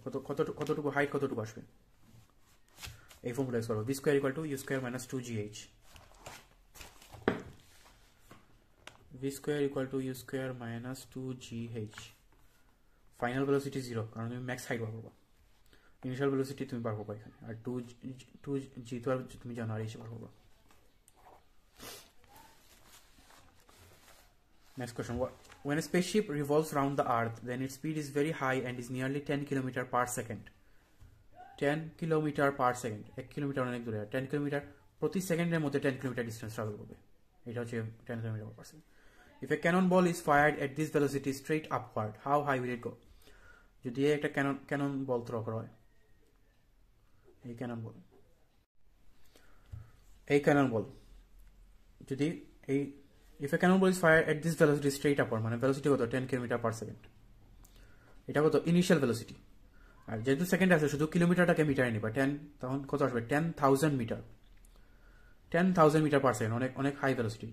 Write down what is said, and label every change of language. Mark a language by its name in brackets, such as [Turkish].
[Bangla] কত কত কতটুকু হাইট কতটুকু আসবে এই ফর্মুলা ইউজ করবো, V square equal to you square minus 2gh, V square equal to you square minus 2gh। Final velocity zero, কারণ তুমি ম্যাক্স হাইট বার করবো, ইনিশিয়াল ভেলোসিটি তুমি বার করবো এখানে, আর টু টু জি তো আর তুমি জানো আর এসে বার করবো। [English] Next question. When a spaceship revolves around the Earth, then its speed is very high and is nearly 10 km per second. 10 km per second. [Bangla] 1 km অনেক দূরে, 10 km প্রতি সেকেন্ডের মধ্যে 10 km distance travel করবে। এটা হচ্ছে [English] 10 km per second. If a cannonball is fired at this velocity straight upward, how high will it go? [Bangla] যদি একটা ক্যানন বল থ্রো করা হয়, এই ক্যানন বল, এই ক্যানন বল যদি এই [English] if a cannonball is fire at this velocity straight upward, [Bangla] মানে velocity কত 10 কিলোমিটার পার সেকেন্ড, এটা কত ইনিশিয়াল ভেলোসিটি, আর যেহেতু সেকেন্ড আছে শুধু কিলোমিটারটাকে মিটারে নিবা, টেন তখন কত আসবে 10,000 মিটার, 10,000 মিটার পার সেকেন্ড, অনেক অনেক হাই ভেলোসিটি।